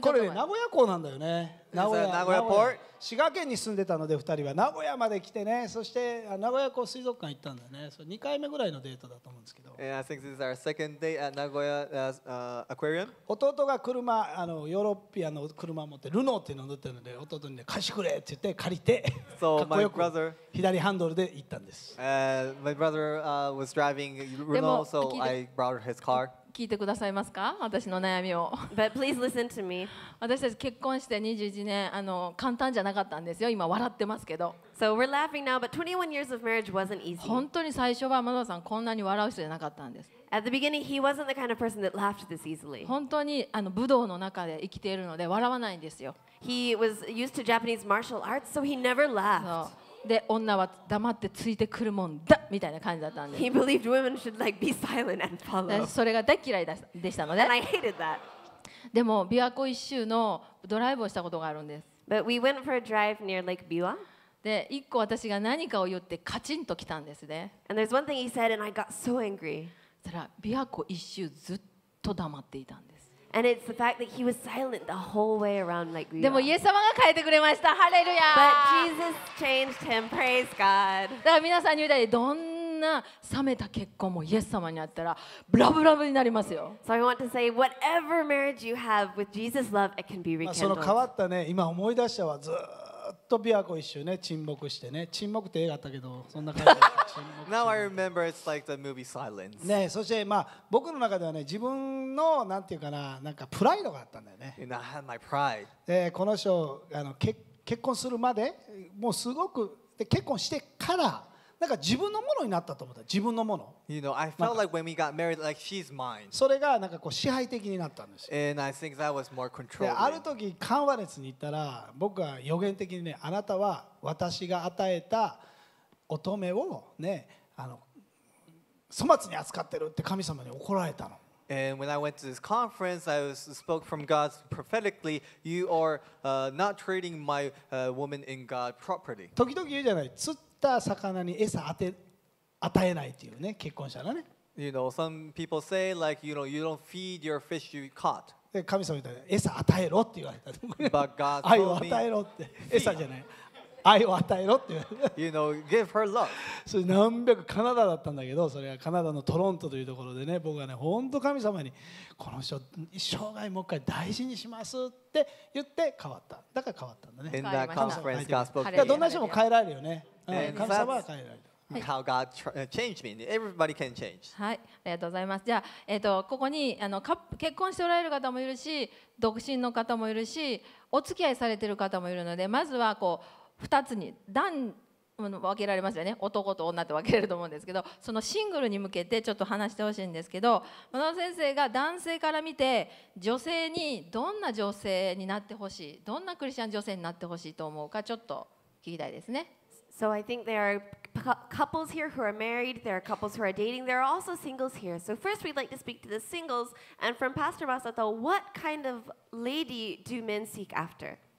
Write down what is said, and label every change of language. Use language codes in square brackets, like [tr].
[ja] ちょっと前。これ名古屋港なんだよね。名古屋。名古屋 port。滋賀県に住んでたので2人は名古屋まで来てね、そして名古屋港水族館行ったんだよね。そう、2回目ぐらいのデートだと思うんですけど。 [en] And I think this is our second date at Nagoya Aquarium. [ja] 弟が車、ヨーロッピアの車持ってルノーっていうの乗ってるので、弟にね、貸してくれって言って借りて、 [en] so、 [ja] かっこよく左ハンドルで行ったんです。 [en] My brother was driving Renault, so I brought his car. [ja] 聞いてくださいますか、私の悩みを。 [en] But please listen to me. [ja] 私たち結婚して21年、簡単じゃなかったんですよ。今笑ってますけど。 [en] So we're laughing now, but 21 years of marriage wasn't easy. [ja] 本当に最初はマドさんこんなに笑う人じゃなかったんです。 [en] At the beginning, he wasn't the kind of person that laughed this easily. [ja] 本当に武道の中で生きているので笑わないんですよ。 [en] He was used to Japanese martial arts, so he never laughed. [ja] で女は黙ってついてくるもんだみたいな感じだったんです。 [en] He believed women should like be silent and follow. [ja] それが大嫌いでしたので。 [en] And I hated that. [ja] でも琵琶湖一周のドライブをしたことがあるんです。 [en] But we went for a drive near Lake Biwa. [ja] で一個私が何かを言ってカチンときたんですね。 [en] And there's one thing he said and I got so angry. [ja] したら琵琶湖一周ずっと黙っていたんです。 [en] And it's the fact that he was silent the whole way around like we [ja] でもイエス様が変えてくれました。ハレルヤ。 [en] But Jesus changed him. Praise God. [ja] だから皆さんに言うたらどんな冷めた結婚もイエス様にあったらブラブラブになりますよ。 [en] So I want to say whatever marriage you have with Jesus love it can be rekindled. [ja] その変わったね、今思い出したわ。ずっと琵琶湖一周ね、沈黙してね、沈黙って映画あったけどそんな感じで。 [en] Now I remember it's like the movie Silence. [ja] ね、そしてまあ僕の中ではね、自分のなんていうかな、なんかプライドがあったんだよね。 [en] And I had my pride. [ja] で、この人結婚するまでもうすごくで結婚してからなんか自分のものになったと思った。自分のもの。 [en] You know, I felt like when we got married, like she's mine. [ja] それがなんかこう支配的になったんですよ。 [en] And I think that was more controlling. [ja] で、ある時カンファレンスに行ったら、僕は予言的にね、あなたは私が与えた乙女をね、粗末に扱ってるって神様に怒られたの。 [en] And when I went to this conference, I was spoke from God prophetically. You are not treating my woman in God properly. [ja] 時々言うじゃない、釣った魚に餌与えないっていうね、結婚したらね。 [en] You know, some people say like, you know, you don't feed your fish you caught. [ja] で、神様みたいに餌与えろって言われた。 [en] But God told me, [ja] 愛を与えろって、餌じゃない。愛を与えろって。 [en] You know, give her love. [ja] それ何百カナダだったんだけど、それはカナダのトロントというところでね、僕はね、本当神様にこの人生涯もう一回大事にしますって言って変わった。だから変わったんだね。 [en] In that conference, God spoke. [ja] だからどんな人も変えられるよね。神様は変えられる。 [en] How God changed me. Everybody can change. [ja] はい、ありがとうございます。じゃあ、ここに結婚しておられる方もいるし、独身の方もいるし、お付き合いされている方もいるので、まずはこう。 2つに段分けられますよね。男と女って分けれると思うんですけど、そのシングルに向けてちょっと話してほしいんですけど、野田先生が男性から見て女性にどんな女性になってほしい、どんなクリスチャン女性になってほしいと思うか、ちょっと聞きたいですね。 [en] So I think there are couples here who are married, there are couples who are dating, there are also singles here. So first we'd like to speak to the singles, and from Pastor Masato, what kind of lady do men seek after?